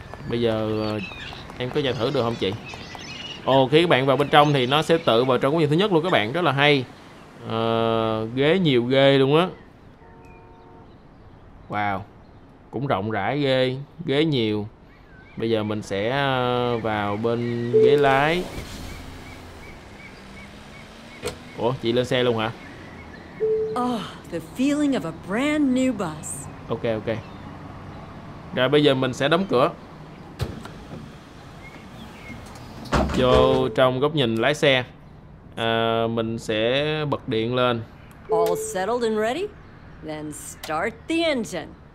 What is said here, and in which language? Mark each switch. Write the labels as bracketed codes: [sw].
[vi] Bây giờ em có vào thử được không chị? Ồ, khi các bạn vào bên trong thì nó sẽ tự vào trong cái gì thứ nhất luôn các bạn. Rất là hay. Ghế nhiều ghê luôn á. Wow, cũng rộng rãi ghê, ghế nhiều. Bây giờ mình sẽ vào bên ghế lái. Ủa, chị lên xe luôn hả? [en] Oh, the feeling of a brand new bus. Ok, ok. [vi] Rồi bây giờ mình sẽ đóng cửa. vô trong góc nhìn lái xe. Mình sẽ bật điện lên. [en] All settled and ready? Then start the engine.